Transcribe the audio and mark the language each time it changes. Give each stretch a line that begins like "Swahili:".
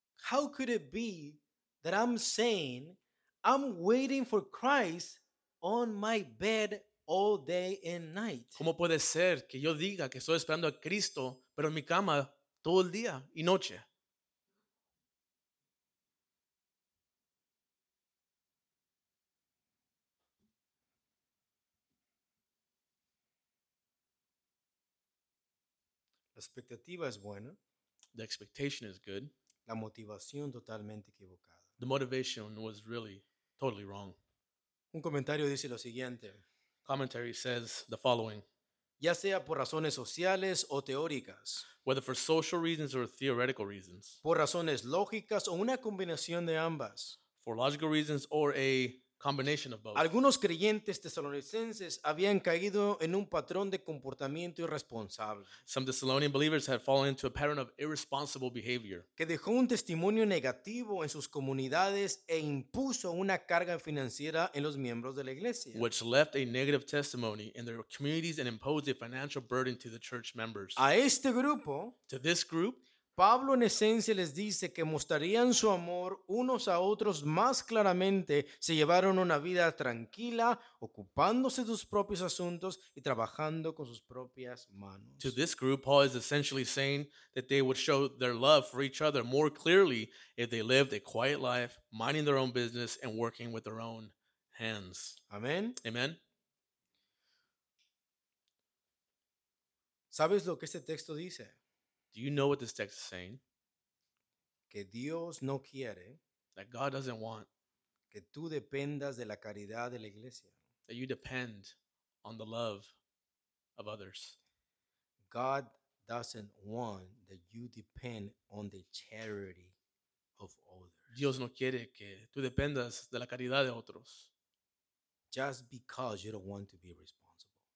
English: How could it be that I'm saying I'm waiting for Christ on my bed all day and night?
Spanish: ¿Cómo puede ser que yo diga que estoy esperando a Cristo, pero en mi cama todo el día y noche? La expectativa es buena.
English: The expectation is good.
Spanish: La motivación totalmente equivocada.
English: The motivation was really totally wrong.
Spanish: Un comentario dice lo siguiente.
English: Commentary says the following.
Spanish: Ya sea por razones sociales o teóricas.
English: Whether for social reasons or theoretical reasons.
Spanish: Por razones lógicas o una combinación de ambas.
English: For logical reasons or a combination of both.
Spanish: Algunos creyentes tesalonicenses habían caído en un patrón de comportamiento irresponsable.
English: Some Thessalonian believers had fallen into a pattern of irresponsible behavior.
Spanish: Que dejó un testimonio negativo en sus comunidades e impuso una carga financiera en los miembros de la iglesia.
English: Which left a negative testimony in their communities and imposed a financial burden to the church members.
Spanish: A este grupo,
English: to this group,
Spanish: Pablo en esencia les dice que mostrarían su amor unos a otros más claramente si llevaron una vida tranquila, ocupándose de sus propios asuntos y trabajando con sus propias manos.
English: To this group, Paul is essentially saying that they would show their love for each other more clearly if they lived a quiet life, minding their own business and working with their own hands. Amen. Amen.
Spanish: ¿Sabes lo que este texto dice?
English: Do you know what this text is saying?
Spanish: Que Dios no quiere.
English: That God doesn't want.
Spanish: Que tú dependas de la caridad de la iglesia.
English: That you depend on the love of others. God doesn't want that you depend on the charity of others.
Spanish: Dios no quiere que tú dependas de la caridad de otros.
English: Just because you don't want to be responsible.